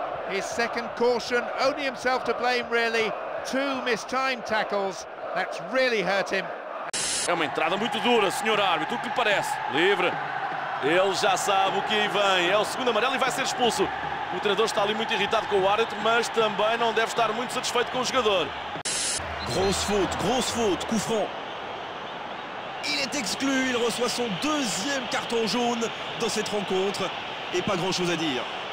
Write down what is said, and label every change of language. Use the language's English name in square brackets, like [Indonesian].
[English] His second caution, only himself to blame really. Two mistimed tackles, that's really hurt him. [Portuguese] É uma entrada muito dura, senhor árbitro, o que lhe parece? Livre. Ele já sabe o que aí vem, é o segundo amarelo e vai ser expulso. O treinador está ali muito irritado com o árbitro, mas também não deve estar muito satisfeito com o jogador. [French] Grosse faute, couffron. Il est exclu, il reçoit son deuxième carton jaune dans cette rencontre et pas grand chose à dire.